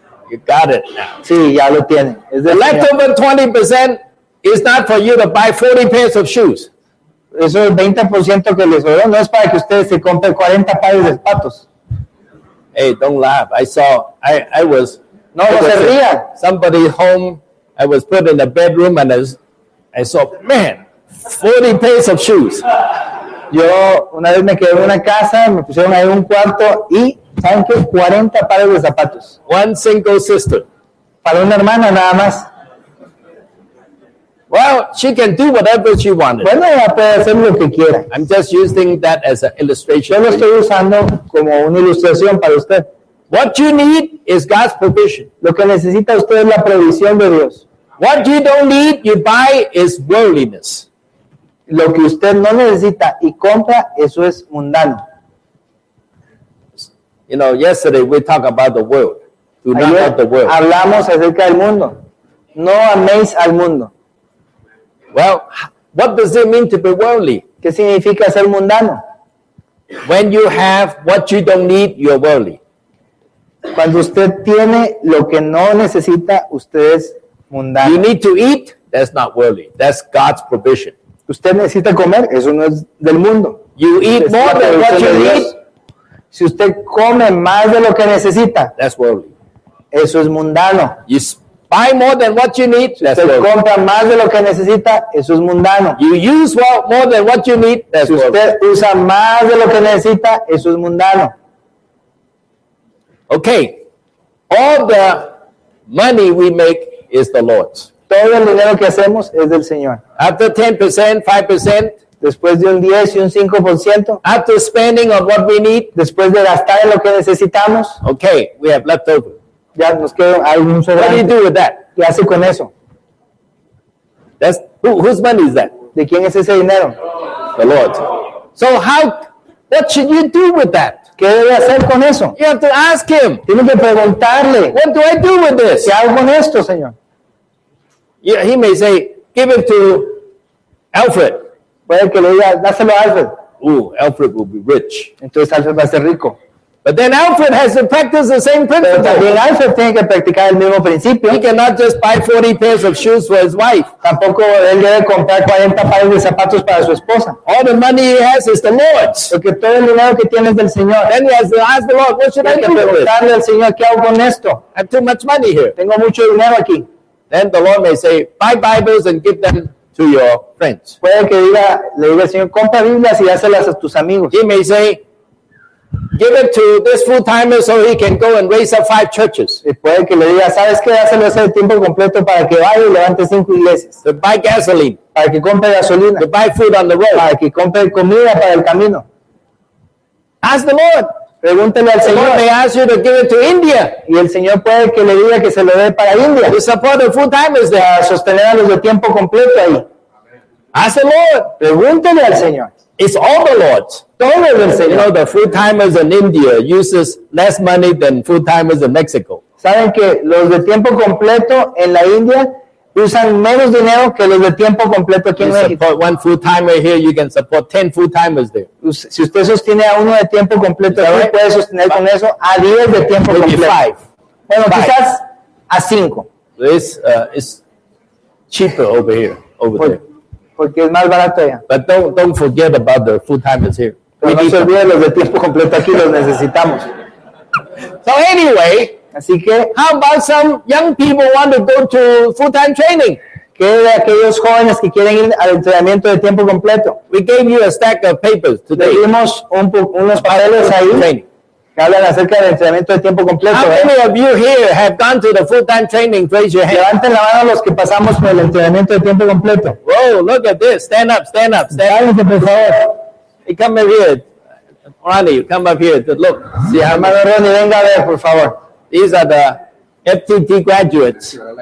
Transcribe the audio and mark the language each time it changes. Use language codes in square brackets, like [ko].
[en] You got it now. [es] Sí, ya lo tiene. Es de [en] leftover 20% is not for you to buy 40 pairs of shoes. [es] Eso es 20% que les sobró. No es para que ustedes se compren 40 pares de zapatos. [en] Hey, don't laugh. I was. [es] No, no se ría. [en] Somebody home. I was put in the bedroom and I saw, man, 40 pairs of shoes. [es] Yo una vez me quedé en una casa, me pusieron ahí un cuarto y, ¿saben qué? 40 pares de zapatos. [en] One single sister. [es] Para una hermana nada más. [en] Well, she can do whatever she wanted. [es] Bueno, ella puede hacer lo que quiera. [en] I'm just using that as an illustration. [es] Yo lo estoy usando como una ilustración para usted. [en] What you need is God's provision. [es] Lo que necesita usted es la provisión de Dios. [en] What you don't need, you buy, is worldliness. [es] Lo que usted no necesita y compra, eso es mundano. [en] You know, yesterday we talked about the world. Do not love the world. [es] Hablamos acerca del mundo. No améis al mundo. [en] Well, what does it mean to be worldly? [es] ¿Qué significa ser mundano? [en] When you have what you don't need, you're worldly. [es] Cuando usted tiene lo que no necesita, usted es mundano. [en] You need to eat, that's not worldly. That's God's provision. [es] Usted necesita comer, eso no es del mundo. [en] You eat more than what you need. [es] Si usted come más de lo que necesita, [en] that's worldly. [es] Eso es mundano. [en] You buy more than what you need, that's worldly. [es] Usted compra más de lo que necesita, eso es mundano. [en] You use more than what you need, that's worldly. [es] Si usted usa más de lo que necesita, eso es mundano. [en] Okay, all the money we make is the Lord's. [es] Todo el dinero que hacemos es del Señor. [en] After 10%, 5%, [es] después de un 10 y un 5%, [en] after spending on what we need, [es] después de gastar en lo que necesitamos, [en] okay, we have left over. [es] Ya nos quedó algún sobrante. [en] What do you do with that? [es] ¿Qué hace con eso? [en] That's whose money is that? [es] ¿De quién es ese dinero? [en] The Lord. So how, what should you do with that? [es] ¿Qué debe hacer con eso? [en] You have to ask him. [es] Tiene que preguntarle. [en] What do I do with this? [es] ¿Qué hago con esto, Señor? [en] Yeah, he may say, give it to Alfred. [es] Puede que le diga, dáselo a Alfred. [en] Alfred will be rich. [es] Entonces Alfred va a ser rico. [en] But then Alfred has to practice the same principle. [es] Pero también Alfred tiene que practicar el mismo principio. [en] He cannot just buy 40 pairs of shoes for his wife. [es] Tampoco él debe comprar 40 pares de zapatos para su esposa. [en] All the money he has is the Lord's. [es] Porque todo el dinero que tiene es del Señor. [en] Then he has to ask the Lord, what should I do with? [es] Preguntarle al Señor, ¿qué hago con esto? [en] I have too much money here. [es] Tengo mucho dinero aquí. [en] Then the Lord may say, buy Bibles and give them to your friends. [es] Puede que diga, le diga al Señor, compra Biblias y dáselas a tus amigos. [en] He may say, give it to this full-timer so he can go and raise up 5 churches. [es] Y puede que le diga, ¿sabes qué? Dáselo ese tiempo completo para que vaya y levante 5 iglesias. [en] To buy gasoline. [es] Para que compre gasolina. [en] To buy food on the road. [es] Para que compre comida para el camino. [en] Ask the Lord. [es] Pregúntele al Señor. [en] May ask you to give it to India. [es] Y el Señor puede que le diga que se lo dé para India. [en] To support the full-timers there. [es] Para sostener a los de tiempo completo ahí. [en] Ask the Lord. [es] Pregúntele al Señor. [en] It's all the Lord's. [es] Todo el Señor. [en] You know, the full-timers in India uses less money than full-timers in Mexico. [es] ¿Saben que los de tiempo completo en la India usan menos dinero que los de tiempo completo aquí en México? [en] You support one full-timer here, you can support 10 full-timers there. [es] Si usted sostiene a uno de tiempo completo, usted puede sostener con eso a 10 de tiempo completo. Bueno, quizás a 5. [en] It's cheaper over here, over there. [es] Porque es más barato allá. [en] But don't forget about the full-timers here. [es] Pero no se olvide los de tiempo completo aquí, los necesitamos. [en] So anyway, [es] así que, [en] how about some young people want to go to full-time training? [es] ¿Qué de aquellos jóvenes que quieren ir al entrenamiento de tiempo completo? [en] We gave you a stack of papers today. [es] Dimos unos papeles ahí training. Que hablan acerca del entrenamiento de tiempo completo. [en] How many of you here have gone to the full-time training? Raise your hand. [es] Levanten la mano los que pasamos por el entrenamiento de tiempo completo. [en] Whoa, look at this. Stand up, stand up, stand up. [es] Cállense, por favor. [en] Hey, come up here. Ronnie, come up here. To look. See, [es] hermano Ronnie, venga a ver, por favor. [en] These are the FTT graduates.